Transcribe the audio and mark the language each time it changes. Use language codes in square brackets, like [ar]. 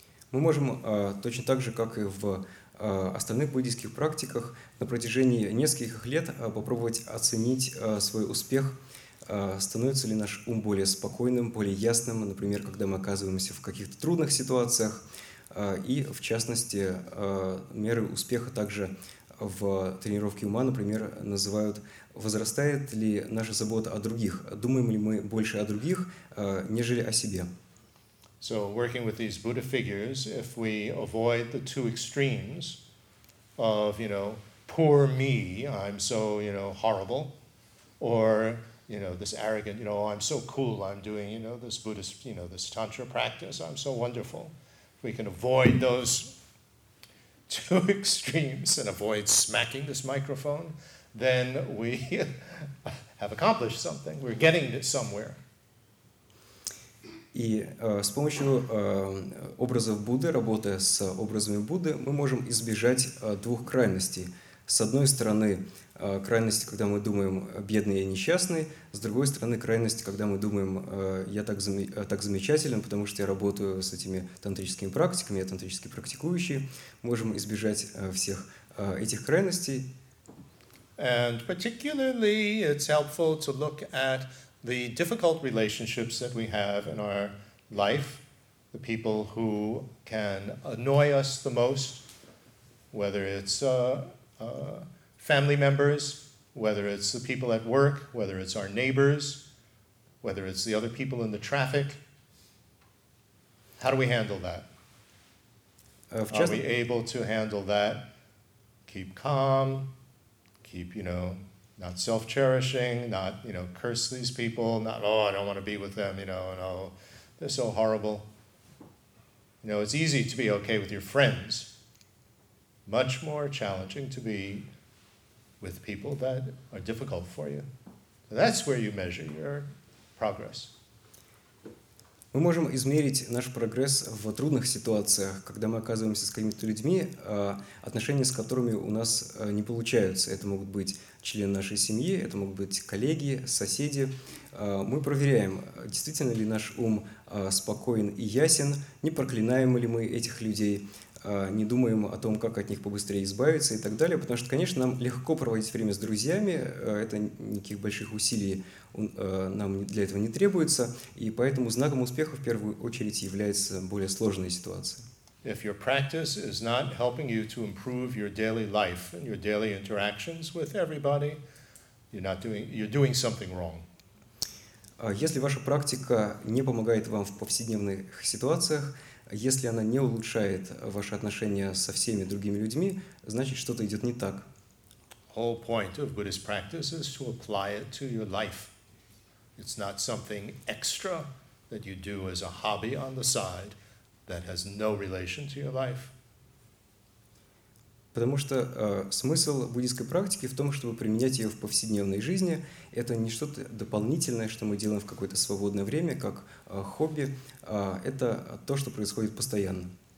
[ru] Мы можем точно так же, как и в остальных буддийских практиках на протяжении нескольких лет попробовать оценить свой успех, становится ли наш ум более спокойным, более ясным, например, когда мы оказываемся в каких-то трудных ситуациях, и, в частности, меры успеха также в тренировке ума, например, называют, возрастает ли наша забота о других, думаем ли мы больше о других, нежели о себе. [en] So working with these Buddha figures, if we avoid the two extremes of, you know, poor me, I'm so, you know, horrible, or, you know, this arrogant, you know, I'm so cool, I'm doing, you know, this Buddhist, you know, this Tantra practice, I'm so wonderful. If we can avoid those two extremes and avoid smacking this microphone, then we have accomplished something. We're getting it somewhere. [ru] И с помощью образов Будды, работая с образами Будды, мы можем избежать двух крайностей. С одной стороны, крайность, когда мы думаем «бедный и несчастный», с другой стороны, крайность, когда мы думаем «я так замечателен, потому что я работаю с этими тантрическими практиками, я тантрически практикующий». Можем избежать всех этих крайностей. [en] And particularly it's helpful to look at the difficult relationships that we have in our life, the people who can annoy us the most, whether it's family members, whether it's the people at work, whether it's our neighbors, whether it's the other people in the traffic. How do we handle that? Are we able to handle that? Keep calm, keep, you know, not self-cherishing, not, you know, curse these people, not, oh, I don't want to be with them, you know, no, they're so horrible. You know, it's easy to be okay with your friends. Much more challenging to be with people that are difficult for you. So that's where you measure your progress. [ru] Мы можем измерить наш прогресс в трудных ситуациях, когда мы оказываемся с какими-то людьми, отношения с которыми у нас не получаются. Это могут быть члены нашей семьи, это могут быть коллеги, соседи. Мы проверяем, действительно ли наш ум спокоен и ясен, не проклинаем ли мы этих людей, не думаем о том, как от них побыстрее избавиться и так далее, потому что, конечно, нам легко проводить время с друзьями, это никаких больших усилий нам для этого не требуется, и поэтому знаком успеха в первую очередь является более сложная ситуация. [en] If your practice is not helping you to improve your daily life and your daily interactions with everybody, you're doing something wrong. [ru] Если ваша практика не помогает вам в повседневных ситуациях, если она не улучшает ваши отношения со всеми другими людьми, значит, что-то идет не так. [en] Whole point of Buddhist practice is to apply it to your life. It's not something extra that you do as a hobby on the side that has no relation to your life. [ru] Потому что смысл буддийской практики в том, чтобы применять ее в повседневной жизни. Это не что-то дополнительное, что мы делаем в какое-то свободное время, как хобби. Это то, что происходит постоянно.